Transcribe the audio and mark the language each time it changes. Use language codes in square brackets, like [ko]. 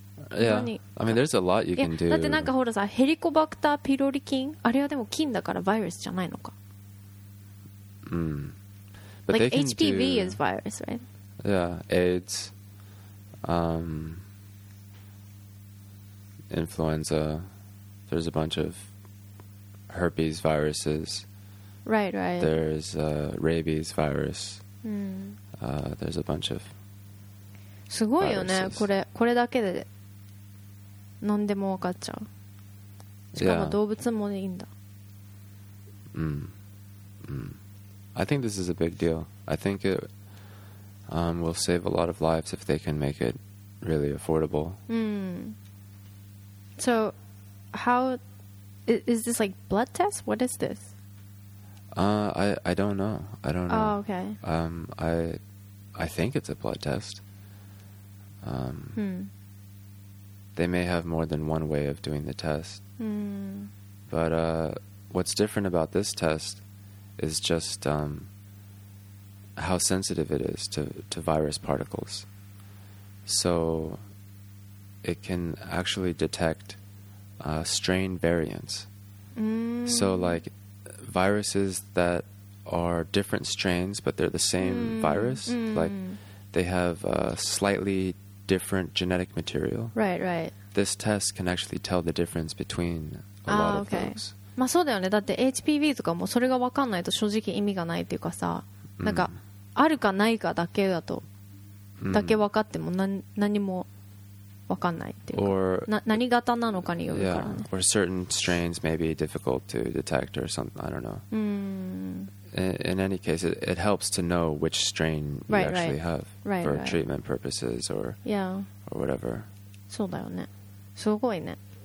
[en] Yeah. I mean, there's a lot you can do. [ja] だってなんかほらさ、ヘリコバクターピロリ菌、あれはでも菌だからバイルスじゃないのか。 [en] But like they can HPV do... is virus, right? Yeah, AIDS, influenza. There's a bunch of herpes viruses. Right, right. There's a rabies virus.、there's a bunch of. [ja] すごいよね。これこれだけで何でも分かっちゃう。しかも動物もいいんだ。 [en] Yeah. I think this is a big deal. I think it will save a lot of lives if they can make it really affordable. So, how is this like blood test? What is this? I don't know. I don't know. Oh, okay. I think it's a blood test. They may have more than one way of doing the test. But what's different about this test is just how sensitive it is to virus particles. So it can actually detect strain variants. So like... viruses that are different strains but they're the same virus, like they have a slightly different genetic material. Right, right. This test can actually tell the difference between a lot of things. [ja] まあそうだよね。だって HPV とかもそれが分かんないと正直意味がないっていうかさ、なんかあるかないかだけだと、だけ分かっても何も分かんないっていうか、何型なのかによるからね。 [en] Yeah. Or certain strains may be difficult to detect or something, I don't know. In any case, it helps to know which strain right, you actually right. have right, for right. treatment purposes or, yeah. or whatever. [ja] そうだよね。すごいね。